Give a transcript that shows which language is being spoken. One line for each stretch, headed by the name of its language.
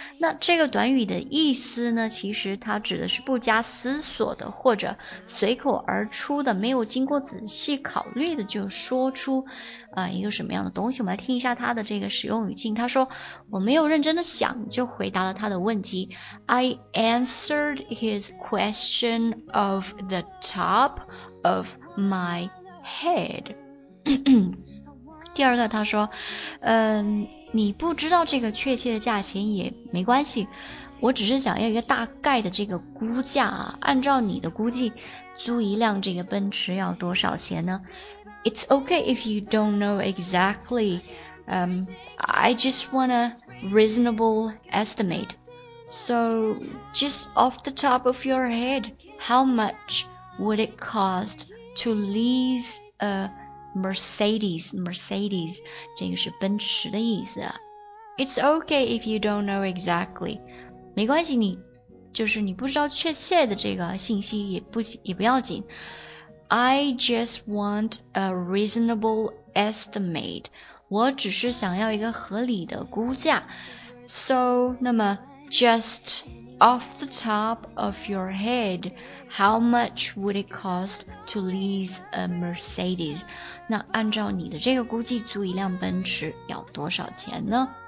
Chinese: 那这个短语的意思呢，其实它指的是不加思索的或者随口而出的，没有经过仔细考虑的就说出一个什么样的东西。我们来听一下它的这个使用语境。他说，我没有认真的想就回答了他的问题。
English: I answered his question off the top of my head。
Chinese: 第二个他说，你不知道这个确切的价钱也没关系，我只是想要一个大概的这个估价啊，按照你的估计租一辆这个奔驰要多少钱呢？
English: It's okay if you don't know exactly. I just want a reasonable estimate. So just off the top of your head, how much would it cost to lease a Mercedes? Mercedes
Chinese: 这个是奔驰的意思。
English: It's okay if you don't know exactly.
Chinese: 没关系，你就是你不知道确切的这个信息也不要紧。
English: I just want a reasonable estimate.
Chinese: 我只是想要一个合理的估价。
English: So,
Chinese: 那么
English: just off the top of your head, how much would it cost to lease a Mercedes?
Chinese: 那按照你的这个估计，租一辆奔驰要多少钱呢？